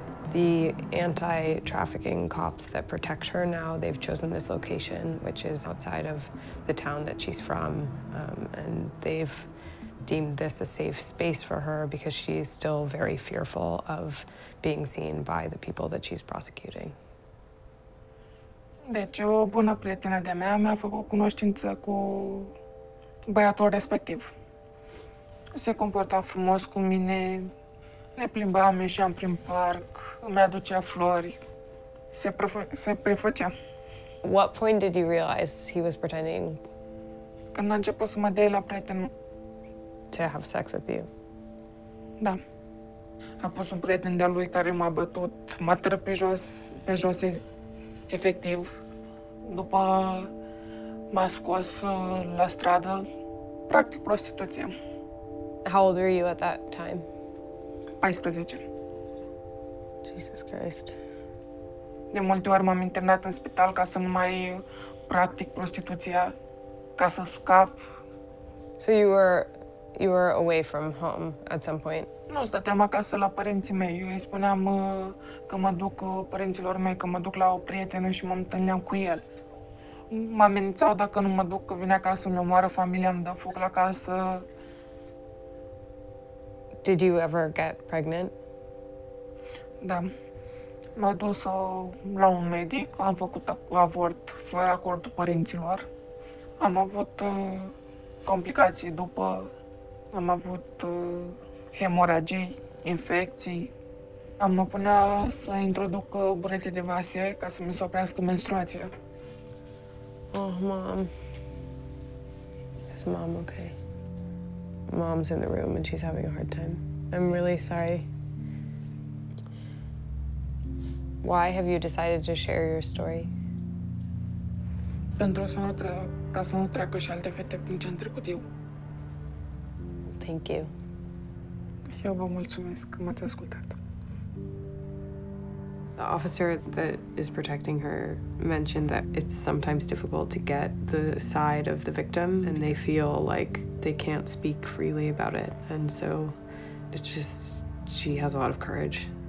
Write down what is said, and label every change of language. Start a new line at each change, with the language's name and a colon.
English: The anti-trafficking cops that protect her now, they've chosen this location, which is outside of the town that she's from, and they've deemed this a safe space for her because she's still very fearful of being seen by the people that she's prosecuting.
Romanian: Deci, o bună prietenă de-a mea mi-a făcut cunoștință cu băiatul respectiv. Se comporta frumos cu mine, ne plimbam, ieșeam prin parc, îmi aducea flori, se prefăcea.
English: What point did you realize he was pretending?
Romanian: Când a început să mă dea la prietenul.
English: To have sex with you?
Romanian: Da. A pus un prieten de-al lui care m-a bătut, m-a tărât pe jos efectiv. După m-a scos la stradă, practic prostituție.
English: How old were you at that time?
Romanian: 14.
English: Jesus Christ.
Romanian: De multe ori m-am internat în spital ca să nu mai practic prostituția, ca să scap.
English: So you were away from home at some point?
Romanian: Nu, stăteam acasă la părinții mei. Eu îi spuneam că mă duc părinților mei, că mă duc la o prietenă și mă întâlneam cu el. Mă amenințau dacă nu mă duc, că vine acasă, îmi omoară familia, îmi dă foc la casă.
English: Did you ever get pregnant?
Romanian: Da. M-a dus la un medic, am făcut avort fără acordul părinților. Am avut complicații după, am avut hemoragii, infecții. Am mă punea să introduc burete de vase ca să mi se oprească menstruația.
English: Oh, Mom. Is Mom okay? Mom's in the room and she's having a hard time. I'm really sorry. Why have you decided to share your story?
Romanian: Pentru să nu ca să nu treacă și alte fete prin ce am trecut eu.
English: Thank you.
Romanian: Eu vă mulțumesc că m-ați ascultat.
English: The officer that is protecting her mentioned that it's sometimes difficult to get the side of the victim and they feel like they can't speak freely about it. And so it's just, she has a lot of courage.